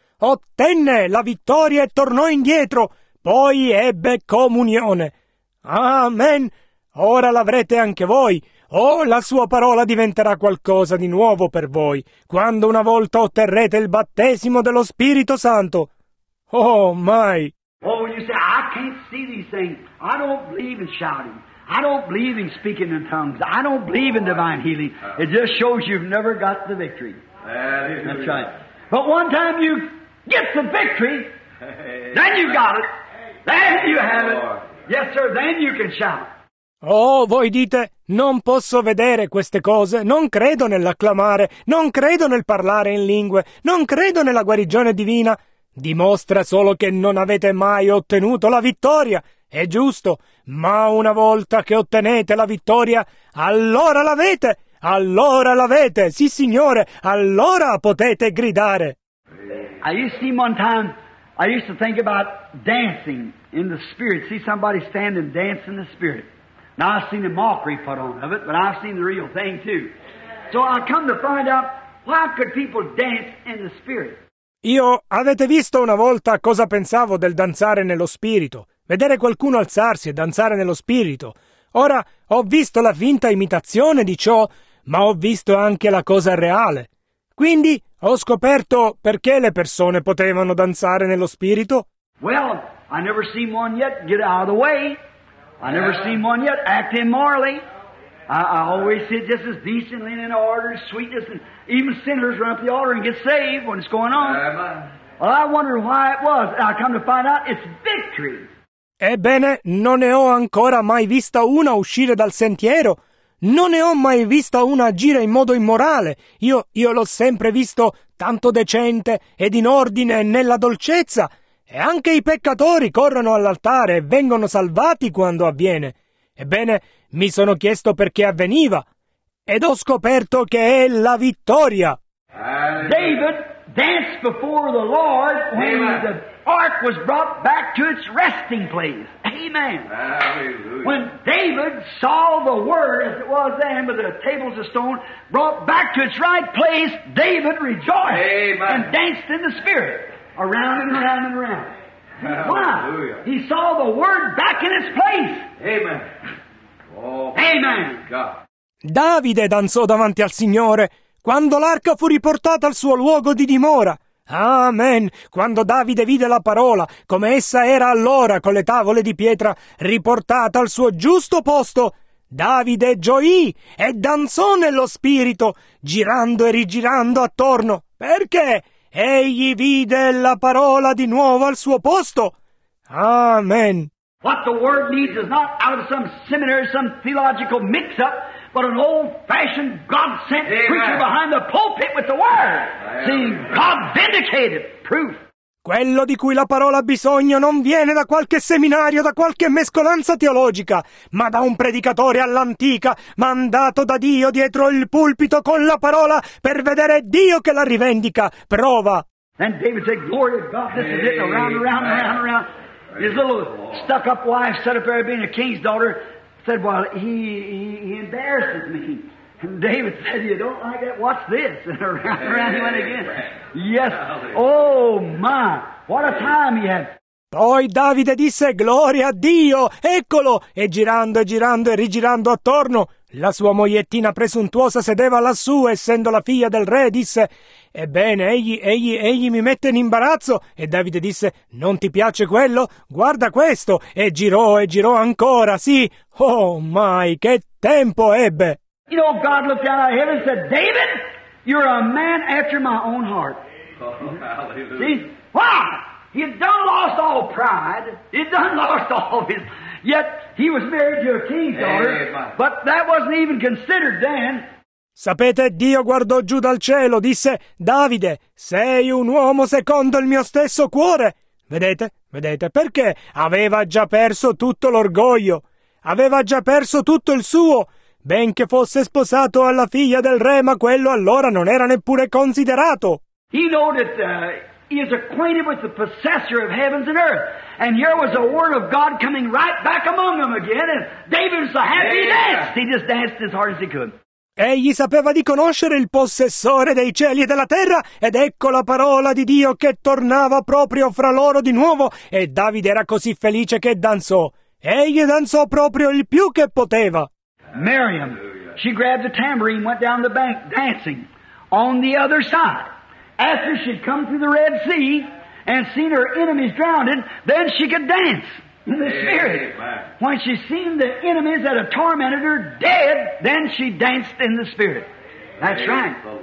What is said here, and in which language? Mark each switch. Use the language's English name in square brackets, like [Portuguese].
[Italian] Ottenne la vittoria e tornò indietro, poi ebbe comunione. Amen! Ora l'avrete anche voi. Oh, la sua parola diventerà qualcosa di nuovo per voi, quando una volta otterrete il battesimo dello Spirito Santo. [English] Oh, my. Oh, when you say, I can't see these things. I don't believe in shouting. I don't believe in speaking in tongues. I don't believe in divine healing. It just shows you've never got the victory. That's right. But one time you get the victory, then you got it. Then you have it. Yes, sir, then you can shout. [Italian] Oh, voi dite, non posso vedere queste cose, non credo nell'acclamare, non credo nel parlare in lingue, non credo nella guarigione divina. Dimostra solo che non avete mai ottenuto la vittoria. È giusto, ma una volta che ottenete la vittoria, allora l'avete! Allora l'avete! Sì, signore, allora potete gridare! [English] I used to see one time, I used to think about dancing in the spirit. See somebody stand and dance in the spirit. Now I've seen the mockery put on of it, but I've seen the real thing too. So I come to find out, why could people dance in the spirit? [Italian] Io, avete visto una volta cosa pensavo del danzare nello spirito? Vedere qualcuno alzarsi e danzare nello spirito. Ora, ho visto la finta imitazione di ciò, ma ho visto anche la cosa reale. Quindi, ho scoperto perché le persone potevano danzare nello spirito. [English] Well, I never seen one yet get out of the way. I never seen one yet act immorally. I always see it just as decently and in order, sweetness, and even sinners run up the altar and get saved when it's going on. Well, I wonder why it was. I come to find out it's victory. [Italian] Ebbene, non ne ho ancora mai vista una uscire dal sentiero. Non ne ho mai vista una agire in modo immorale. Io l'ho sempre visto tanto decente ed in ordine e nella dolcezza. E anche i peccatori corrono all'altare e vengono salvati quando avviene. Ebbene, mi sono chiesto perché avveniva, ed ho scoperto che è la vittoria. [English] David danced before the Lord when the ark was brought back to its resting place. Amen. When David saw the word as it was then, with the tables of stone, brought back to its right place, David rejoiced and danced in the spirit, around and around and around. Hallelujah. Why? He saw the word back in its place. Amen. Oh, amen. [Italian] Davide danzò davanti al Signore quando l'arca fu riportata al suo luogo di dimora. Amen. Quando Davide vide la parola, come essa era allora con le tavole di pietra riportata al suo giusto posto, Davide gioì e danzò nello spirito, girando e rigirando attorno, perché egli vide la parola di nuovo al suo posto. Amen. [English] What the word needs is not out of some seminary, some theological mix-up, but an old-fashioned, God-sent preacher behind the pulpit with the word. See, God vindicated proof. [Italian] Quello di cui la parola ha bisogno non viene da qualche seminario, da qualche mescolanza teologica, ma da un predicatore all'antica, mandato da Dio dietro il pulpito con la parola per vedere Dio che la rivendica. Prova! [English] And David said, glory to God, this is it, around, around, around, around. His little stuck-up wife, set up there being a king's daughter, said, well, he embarrasses me. And David said, you don't like that? Watch this. And around and around he went again. Yes. Oh, my. What a time he had. [Italian] Poi Davide disse, gloria a Dio, eccolo. E girando e girando e rigirando attorno, la sua mogliettina presuntuosa sedeva lassù, essendo la figlia del re, disse, ebbene, egli mi mette in imbarazzo. E Davide disse, non ti piace quello? Guarda questo. E girò ancora, sì. [English] Oh, my, [Italian] che tempo ebbe. [English] You know, God looked out of heaven and said, David, you're a man after my own heart. Oh, see? Why? He had done lost all pride. He had done lost all his... Yet, he was married to a king's daughter, but that wasn't even considered then. [Italian] Sapete, Dio guardò giù dal cielo, disse, Davide, sei un uomo secondo il mio stesso cuore. Vedete? Vedete? Perché aveva già perso tutto l'orgoglio. Aveva già perso tutto il suo... Benché fosse sposato alla figlia del re, ma quello allora non era neppure considerato. [English] He knew that he is acquainted with the possessor of heavens and earth, and here was the word of God coming right back among them again. And David was so happy he danced. He just danced as hard as he could. [Italian] Egli sapeva di conoscere il possessore dei cieli e della terra, ed ecco la parola di Dio che tornava proprio fra loro di nuovo, e Davide era così felice che danzò. Egli danzò proprio il più che poteva. [English] Miriam, she grabbed a tambourine and went down the bank dancing on the other side. After she'd come through the Red Sea and seen her enemies drowning, then she could dance in the Spirit. When she seen the enemies that had tormented her dead, then she danced in the Spirit. That's right.